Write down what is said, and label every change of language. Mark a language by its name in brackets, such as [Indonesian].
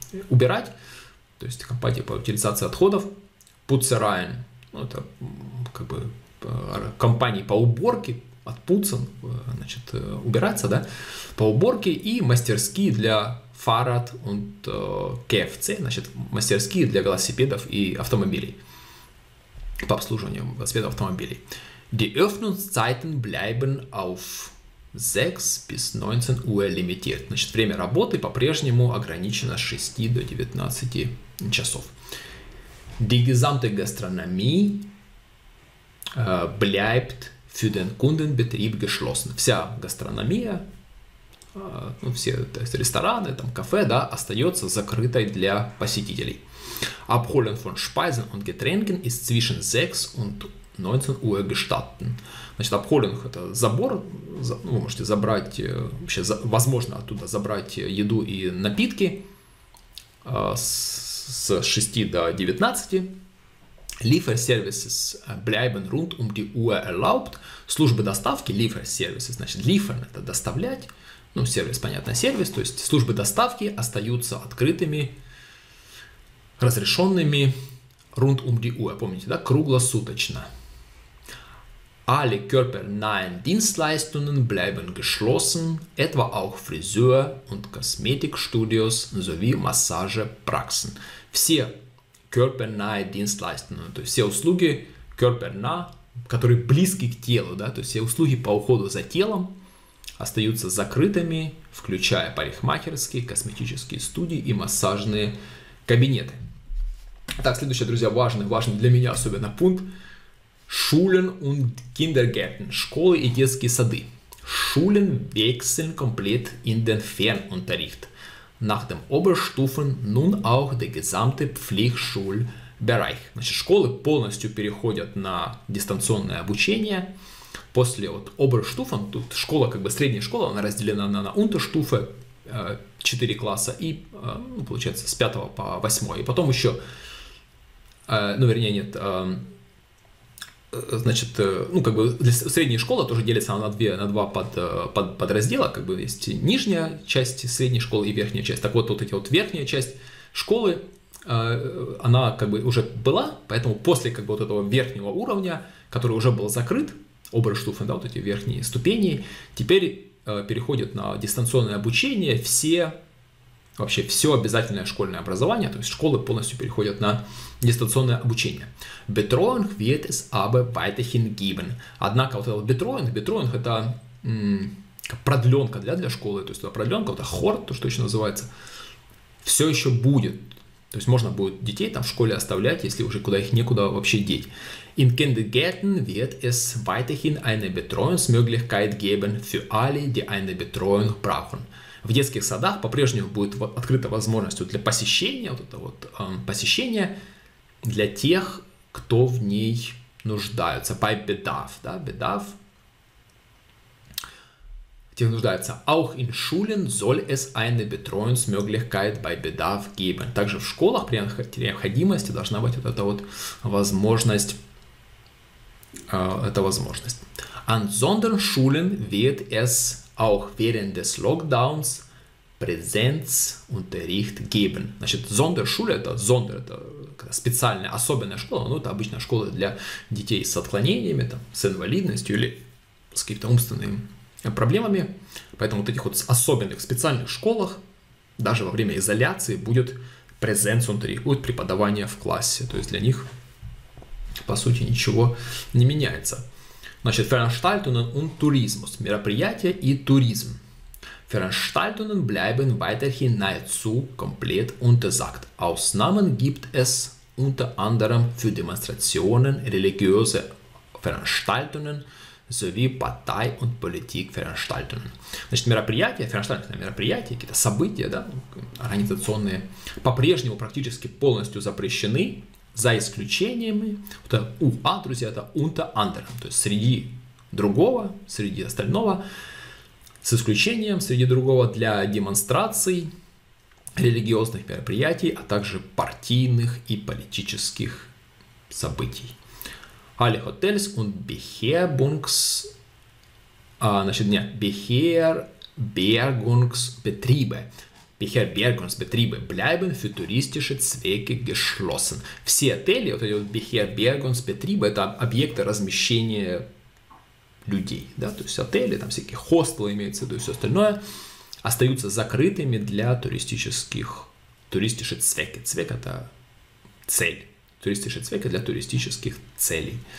[Russian] убирать, то есть компании по утилизации отходов, Putzereien, ну это как бы компании по уборке, от Putzen, значит, убираться, да, по уборке, и мастерские для [German] Fahrrad und KFC, [Russian] значит, мастерские для велосипедов и автомобилей, по обслуживанию велосипедов и автомобилей. [German] Die Öffnungszeiten bleiben auf 6 bis 19 Uhr limitiert. [Russian] Значит, время работы по-прежнему ограничено с 6 до 19 часов. [German] Die gesamte Gastronomie bleibt für den Kundenbetrieb geschlossen. [Russian] Вся гастрономия, ну, все то есть рестораны, там, кафе, да, остается закрытой для посетителей. [German] Abholen von Speisen und Getränken ist zwischen 6 und 19 Uhr gestatten. [Russian] Значит, abholen – это забор, ну, вы можете забрать, вообще, возможно, оттуда забрать еду и напитки с 6 до 19. [German] Lieferservices bleiben rund die Uhr erlaubt. [Russian] Службы доставки, Lieferservices, значит, liefern – это доставлять. Ну, сервис, понятно, сервис. То есть службы доставки остаются открытыми, разрешенными [German] rund die Uhr. [Russian] Помните, да, круглосуточно. [German] Alle körpernahen Dienstleistungen bleiben geschlossen, etwa auch Friseur und Kosmetikstudios sowie Massagepraxen. [Russian] Все [German] körpernahe Dienstleistungen, [Russian] то есть все услуги körpernah, которые близки к телу, да, то есть все услуги по уходу за телом остаются закрытыми, включая парикмахерские, косметические студии и массажные кабинеты. Так, следующее, друзья, важный для меня особенно пункт. [German] Schulen und Kindergärten, [Russian] школы и детские сады. [German] Schulen wechseln komplett in den Fernunterricht. Nach dem Oberstufen nun auch der gesamte Pflichtschulbereich. [Russian] Значит, школы полностью переходят на дистанционное обучение. После вот Oberstufen, тут школа, как бы средняя школа, она разделена на Unterstufe, 4 класса, и получается с 5 по 8. И потом еще, ну вернее нет, значит, ну как бы средняя школа тоже делится на два подраздела, как бы есть нижняя часть средней школы и верхняя часть. Так вот, вот эти вот верхняя часть школы, она как бы уже была, поэтому после как бы вот этого верхнего уровня, который уже был закрыт, Oberstufen, да, вот эти верхние ступени, теперь переходят на дистанционное обучение все, вообще все обязательное школьное образование, то есть школы полностью переходят на дистанционное обучение. [German] Betreuung wird es aber weiterhin geben. [Russian] Однако вот этот Betreuung это продленка для школы, то есть это продленка, это хорт, то, что еще называется, все еще будет. То есть можно будет детей там в школе оставлять, если уже куда их некуда вообще деть. [German] In Kindergärten wird es weiterhin eine Betreuungsmöglichkeit geben für alle, die eine Betreuung brauchen. [Russian] В детских садах по-прежнему будет открыта возможность для посещения, вот это вот посещение для тех, кто в ней нуждаются. [German] Bei Bedarf, [Russian] да, [German] Bedarf. [Russian] Тех нуждается. [German] Auch in Schulen soll es eine Betreuungsmöglichkeit bei Bedarf geben. [Russian] Также в школах при необходимости должна быть вот эта вот возможность. Эта возможность. [German] An anderen Schulen wird es auch während des Lockdowns Präsenzunterricht geben. [Russian] Значит, Sonderschule, это специальная, особенная школа. Ну, это обычная школа для детей с отклонениями, там, с инвалидностью или с каким-то умственным проблемами. Поэтому вот этих вот особенных специальных школах даже во время изоляции будет презенцунтери, будет преподавание в классе. То есть для них, по сути, ничего не меняется. Значит, [German] Veranstaltungen und Tourismus. [Russian] Мероприятия и туризм. [German] Veranstaltungen bleiben weiterhin nahezu komplett untersagt. Ausnahmen gibt es unter anderem für Demonstrationen, religiöse Veranstaltungen sowie Partei- und Politikveranstaltungen. [Russian] Значит, мероприятия, Veranstaltungen, мероприятия, какие-то события, да, организационные, по-прежнему практически полностью запрещены, за исключениями, это UA, друзья, это [German] unter anderem, [Russian] то есть среди другого, среди остального, с исключением среди другого для демонстраций, религиозных мероприятий, а также партийных и политических событий. [German] Alle Hotels und Beherbungs, [Russian] значит, нет, [German] Beherbergungsbetriebe. Beherbergungsbetriebe bleiben für touristische Zwecke geschlossen. [Russian] Все отели, вот эти вот Beherbergungsbetriebe, это объекты размещения людей, да, то есть отели, там всякие хостелы имеются, то есть все остальное, остаются закрытыми для туристических, туристische Zwecke, Zweck это цель, туристische Zwecke для туристических целей.